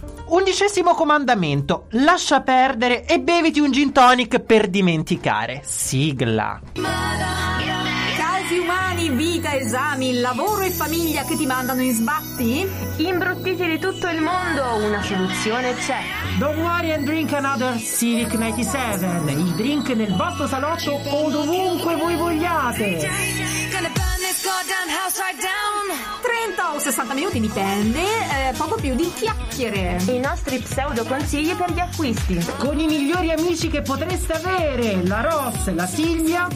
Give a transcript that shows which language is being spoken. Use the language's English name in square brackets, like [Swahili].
[Italian] 16° comandamento: lascia perdere e beviti un gin tonic per dimenticare. Sigla. Casi umani, vita, esami, lavoro e famiglia che ti mandano in sbatti? Imbruttiti di tutto il mondo, una soluzione c'è. [English] Don't worry and drink another Civic 97. [Italian] Il drink nel vostro salotto o dovunque voi vogliate. 30 o 60 minuti dipende, poco più di chiacchiere. I nostri pseudo consigli per gli acquisti. Con i migliori amici che potreste avere, la Ross, la Silvia